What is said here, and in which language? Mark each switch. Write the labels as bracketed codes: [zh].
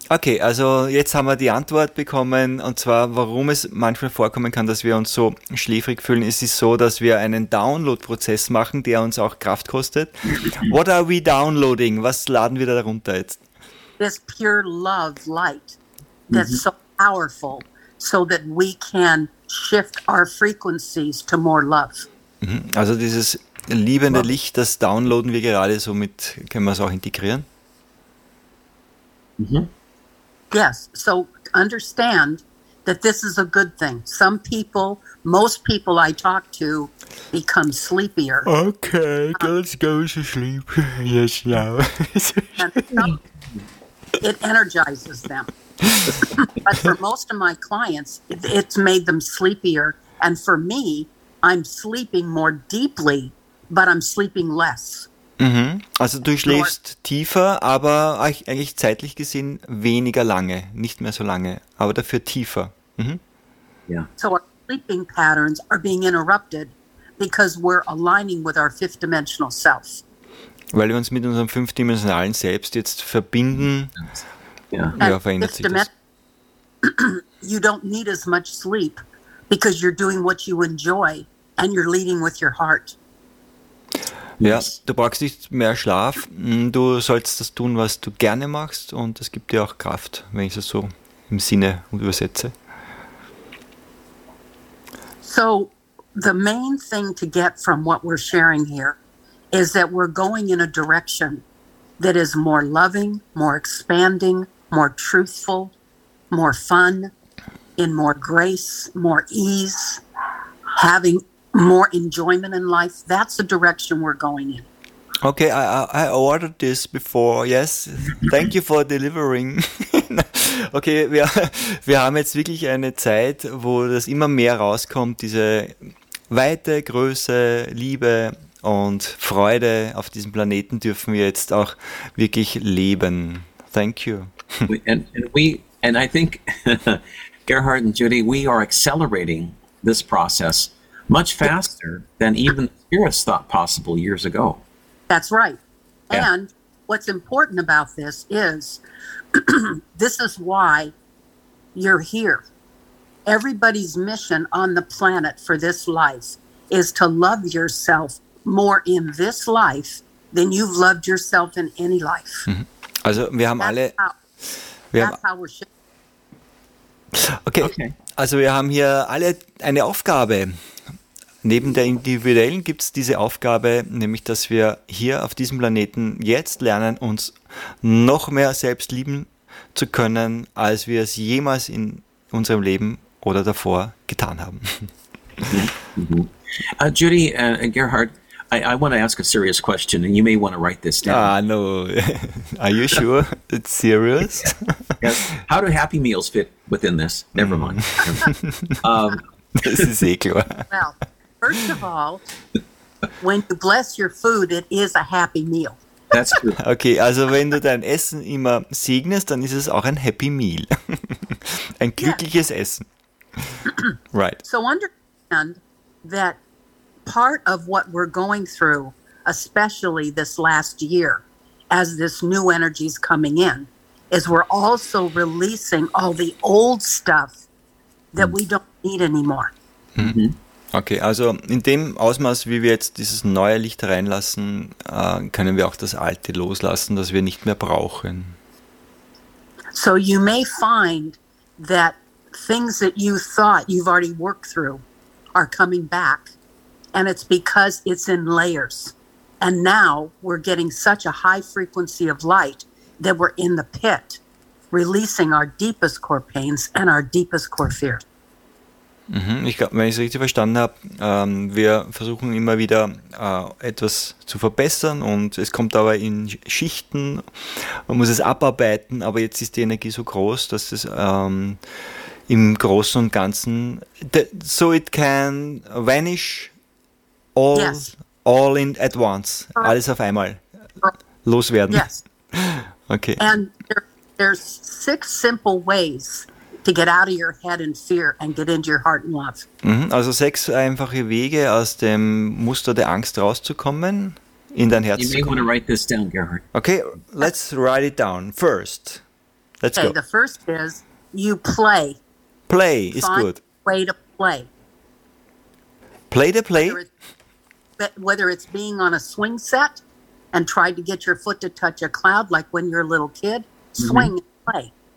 [de] Okay, also jetzt haben wir die Antwort bekommen, und zwar, warum es manchmal vorkommen kann, dass wir uns so schläfrig fühlen. Es ist so, dass wir einen Download-Prozess machen, der uns auch Kraft kostet. [en] What are we downloading? [de] Was laden wir da runter jetzt? [en] This pure love light that's mm-hmm. so powerful, so that we can shift our frequencies to more love. [de] Also dieses liebende Licht, das downloaden wir gerade, somit können wir es auch integrieren. Mm-hmm. [en] Yes, so understand that this is a good thing. Some people, most people I talk to, become sleepier. Okay, let's go to sleep. Yes, now. And some, It energizes them. But for most of my clients, it's made them sleepier. And for me, I'm sleeping more deeply, but I'm sleeping less. Mhm. [de] Also du schläfst tiefer, aber eigentlich zeitlich gesehen weniger lange, nicht mehr so lange, aber dafür tiefer. Mhm. Yeah. [en] So our sleeping patterns are being interrupted because we're aligning with our fifth dimensional self. [de] Weil wir uns mit unserem fünfdimensionalen Selbst jetzt verbinden. Yeah. Ja, verändert sich das. [en] You don't need as much sleep because you're doing what you enjoy and you're leading with your heart. [de] Ja, du brauchst nicht mehr Schlaf, du sollst das tun, was du gerne machst und das gibt dir auch Kraft, wenn ich es so im Sinne übersetze. [en] So, the main thing to get from what we're sharing here is that we're going in a direction that is more loving, more expanding, more truthful, more fun, in more grace, more ease, having more enjoyment in life. That's the direction we're going in. Okay, I ordered this before. Yes, thank you for delivering. [de] Okay, wir haben jetzt wirklich eine Zeit, wo das immer mehr rauskommt, diese Weite, Größe, Liebe und Freude auf diesem Planeten dürfen wir jetzt auch wirklich leben. [en] Thank you. And I think, Gerhard and Judy, we are accelerating this process much faster than even spirits thought possible years ago. That's right. Yeah. And what's important about this is this is why you're here. Everybody's mission on the planet for this life is to love yourself more in this life than you've loved yourself in any life. [de] Mm-hmm. Also, wir haben [en] that's [de] alle. [en] How, [de] wir [en] that's [de] haben, [en] how we're shifting. [de] Okay. Also, wir haben hier alle eine Aufgabe. Neben der individuellen gibt es diese Aufgabe, nämlich dass wir hier auf diesem Planeten jetzt lernen, uns noch mehr selbst lieben zu können, als wir es jemals in unserem Leben oder davor getan haben. Mm-hmm. [en] Judy and Gerhard, I want to ask a serious question, and you may want to write this down. Ah, no. Are you sure it's serious? Yes. How do happy meals fit within this? Never mind. This is equal. Well. First of all, when you bless your food, it is a happy meal. That's true. [de] Okay, also wenn du dein Essen immer segnest, dann ist es auch ein happy meal. Ein glückliches [en] yes. [de] Essen. [en] Right. So understand that part of what we're going through, especially this last year, as this new energy is coming in, is we're also releasing all the old stuff that we don't need anymore. Mm-hmm. [de] Okay, also in dem Ausmaß, wie wir jetzt dieses neue Licht reinlassen, können wir auch das alte loslassen, das wir nicht mehr brauchen. [en] So you may find that things that you thought you've already worked through are coming back and it's because it's in layers. And now we're getting such a high frequency of light that we're in the pit, releasing our deepest core pains and our deepest core fears. [de] Ich glaube, wenn ich es richtig verstanden habe, wir versuchen immer wieder etwas zu verbessern und es kommt aber in Schichten, man muss es abarbeiten, aber jetzt ist die Energie so groß, dass es im Großen und Ganzen, [en] so it can vanish all, yes. all in at once, [de] alles auf einmal loswerden. [en] Yes. Okay. And there's six simple ways to get out of your head in fear and get into your heart and love. [de] Also sechs einfache Wege, aus dem Muster der Angst rauszukommen, in dein Herz zu kommen. [en] You may want to write this down, Gerhard. Okay, let's write it down first. Let's okay, go. The first is you play. Play is find good. Find a way to play. Play the play. Whether it's being on a swing set and try to get your foot to touch a cloud like when you're a little kid, swing and play.